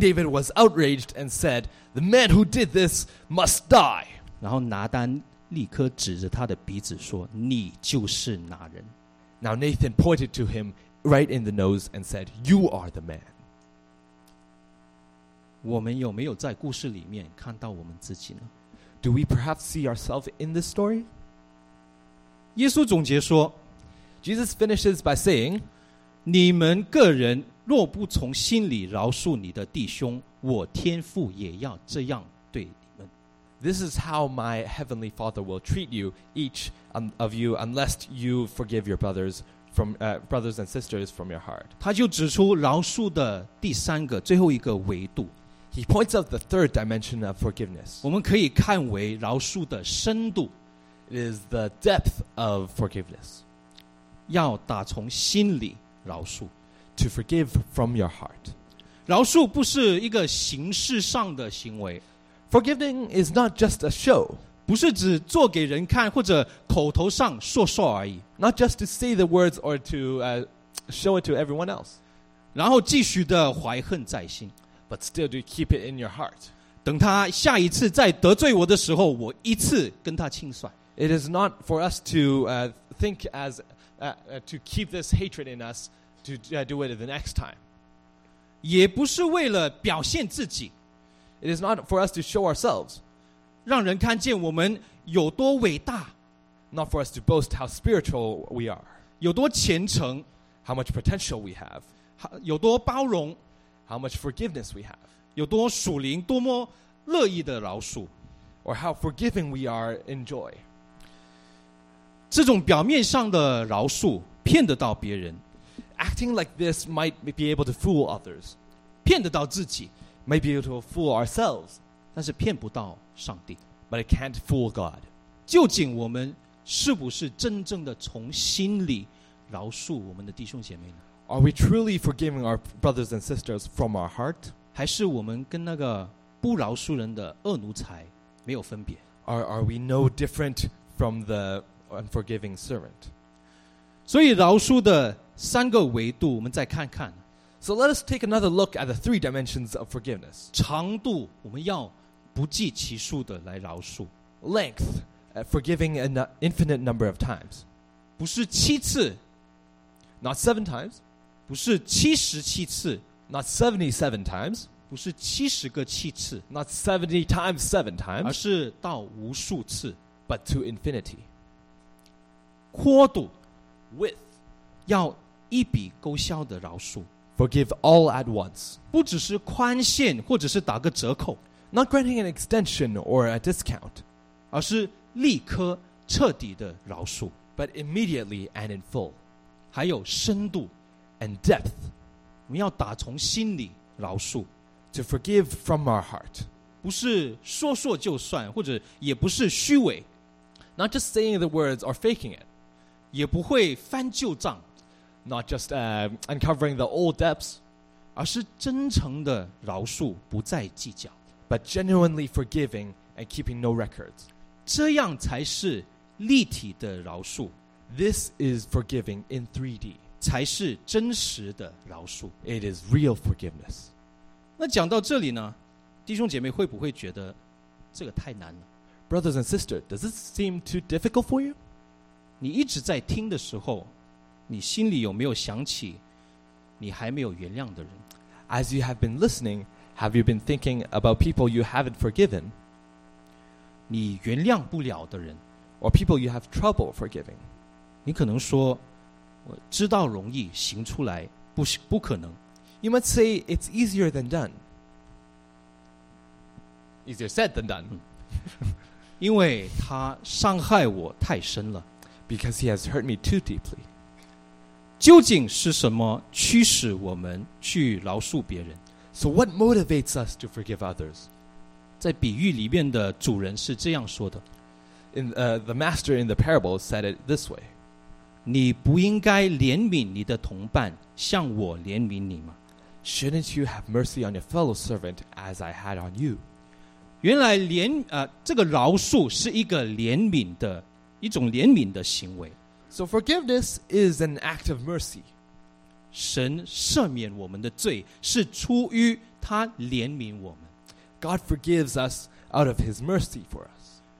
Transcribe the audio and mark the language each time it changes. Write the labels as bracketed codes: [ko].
[en] David was outraged and said, "The man who did this must die." [zh] 然后拿单立刻指着他的鼻子说，你就是那人。 [en] Now Nathan pointed to him right in the nose and said, "You are the man." [zh] 我们有没有在故事里面看到我们自己呢？ [en] Do we perhaps see ourselves in this story? [zh] 耶稣总结说， [en] Jesus finishes by saying, [zh] 你们个人若不从心里饶恕你的弟兄，我天父也要这样对你们。 [en] This is how my heavenly Father will treat you, each of you, unless you forgive your brothers from brothers and sisters from your heart. [zh] 他就指出饶恕的第三个最后一个维度。 [en] He points out the third dimension of forgiveness. [zh] 我们可以看为饶恕的深度。 [en] It is the depth of forgiveness. [zh] 要打从心里饶恕。 [en] To forgive from your heart. [zh] 饶恕不是一个形式上的行为。 [en] Forgiving is not just a show. [zh] 不是只做给人看或者口头上说说而已。 [en] Not just to say the words or to show it to everyone else. [zh] 然后继续的怀恨在心。 [en] But still, do you keep it in your heart? [zh] 等他下一次再得罪我的时候, 我一次跟他清算。 [en] It is not for us to think as to keep this hatred in us to do it the next time. [zh] 也不是为了表现自己。 [en] It is not for us to show ourselves. [zh] 让人看见我们有多伟大。 [en] Not for us to boast how spiritual we are. [zh] 有多虔诚。 [en] How much potential we have. [zh] 有多包容。 [en] How much forgiveness we have. [zh] 有多属灵，多么乐意的饶恕。 [en] Or how forgiving we are in joy. [zh] 这种表面上的饶恕骗得到别人。 [en] Acting like this might be able to fool others. [zh] 骗得到自己。 [en] Might be able to fool ourselves. [zh] 但是骗不到上帝。 [en] But it can't fool God. [zh] 究竟我们是不是真正的从心里饶恕我们的弟兄姐妹呢？ [en] Are we truly forgiving our brothers and sisters from our heart? [zh] 还是我们跟那个不饶恕人的恶奴才没有分别？ [en] Are we no different from the unforgiving servant? [zh] 所以饶恕的三个维度我们再看看。 [en] So let us take another look at the three dimensions of forgiveness. [zh] 长度我们要不计其数的来饶恕。 [en] Length, forgiving an infinite number of times. [zh] 不是七次。 [en] Not seven times. [zh] 不是七十七次。 [en] Not 77 times. [zh] 不是七十个七次。 [en] Not 70 times 7 times. [zh] 而是到无数次。 [en] But to infinity. [zh] 宽度。 [en] Width. [zh] 要一笔勾销的饶恕。 [en] Forgive all at once. [zh] 不只是宽限或者是打个折扣。 [en] Not granting an extension or a discount. [zh] 而是立刻彻底的饶恕。 [en] But immediately and in full. [zh] 还有深度。 [en] And depth. [zh] 我们要打从心里饶恕。 [en] To forgive from our heart. [zh] 不是说说就算或者也不是虚伪。 [en] Not just saying the words or faking it. [zh] 也不会翻旧账。 [en] Not just uncovering the old debts, [zh] 而是真诚的饶恕，不再计较。 [en] But genuinely forgiving and keeping no records. [zh] 这样才是立体的饶恕。 [en] This is forgiving in 3D. [zh] 才是真实的饶恕。 [en] It is real forgiveness. [zh] 那讲到这里呢，弟兄姐妹会不会觉得这个太难了？ [en] Brothers and sisters, does this seem too difficult for you? [zh] 你一直在听的时候，你心里有没有想起你还没有原谅的人？ [en] As you have been listening, have you been thinking about people you haven't forgiven? [zh] 你原谅不了的人， [en] or people you have trouble forgiving? [zh] 你可能说，我知道容易，行出来不可能。 [en] You might say it's easier than done. Easier said than done. [zh] 因为他伤害我太深了。 [en] Because he has hurt me too deeply. [zh] 究竟是什么驱使我们去饶恕别人？ [en] So what motivates us to forgive others? [zh] 在比喻里面的主人是这样说的。 [en] The master in the parable said it this way. [zh] 你不应该怜悯你的同伴，像我怜悯你吗？ [en] Shouldn't you have mercy on your fellow servant as I had on you? [zh] 原来这个饶恕是一个怜悯的，一种怜悯的行为。 [en] So forgiveness is an act of mercy. [zh] 神赦免我们的罪是出于他怜悯我们。 [en] God forgives us out of his mercy for us.